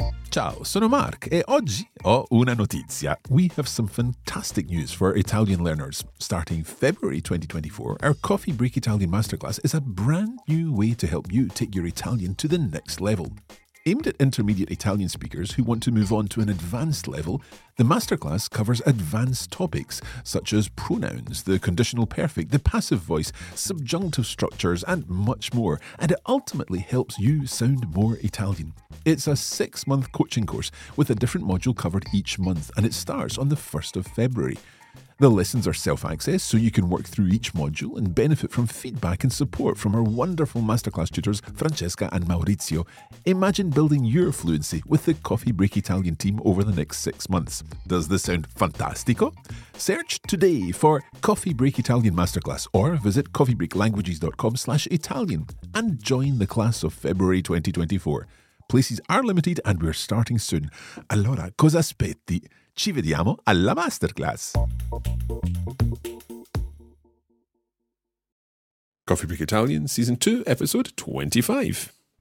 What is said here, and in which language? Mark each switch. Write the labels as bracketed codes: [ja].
[it] Ciao, sono Mark e oggi ho una notizia. [en] We have some fantastic news for Italian learners. Starting February 2024, our Coffee Break Italian Masterclass is a brand new way to help you take your Italian to the next level. Aimed at intermediate Italian speakers who want to move on to an advanced level, the masterclass covers advanced topics such as pronouns, the conditional perfect, the passive voice, subjunctive structures, and much more, and it ultimately helps you sound more Italian. It's a six-month coaching course with a different module covered each month, and it starts on the 1st of February. The lessons are self-access, so you can work through each module and benefit from feedback and support from our wonderful masterclass tutors, Francesca and Maurizio. Imagine building your fluency with the Coffee Break Italian team over the next 6 months. Does this sound fantastico? Search today for Coffee Break Italian Masterclass or visit coffeebreaklanguages.com/Italian and join the class of February 2024. Places are limited and we're starting soon. [it] Allora, cosa aspetti? Ci vediamo alla masterclass. [en] Coffee Break Italian, Season 2, Episode 25.